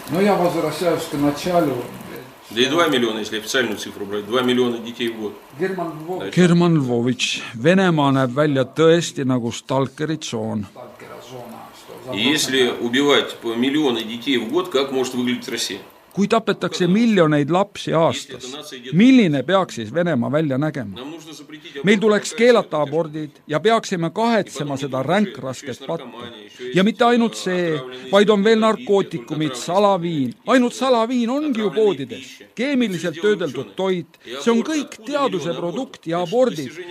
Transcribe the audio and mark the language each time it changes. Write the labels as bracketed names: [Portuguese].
[Russian] Но я возвращаюсь к началу. Да и 2 миллиона, если официальную цифру брать, 2 миллиона детей в год. [Estonian] Герман Львович, Venemaa näeb välja tõesti nagu stalkeri tsoon. [Russian] Если убивать по миллионы детей в год, как может выглядеть Россия? [Estonian] Kui tapetakse miljoneid lapsi aastas, milline peaks siis Venema välja nägema? Meil tuleks keelata abordid ja peaksime kahetsema seda ränkrasket patta. Ja mitte ainult see, vaid on veel narkootikumid, salaviin. Ainult salaviin ongi ju poodides. Keemiliselt töödeldud toit, see on kõik teaduse produkt ja abordid.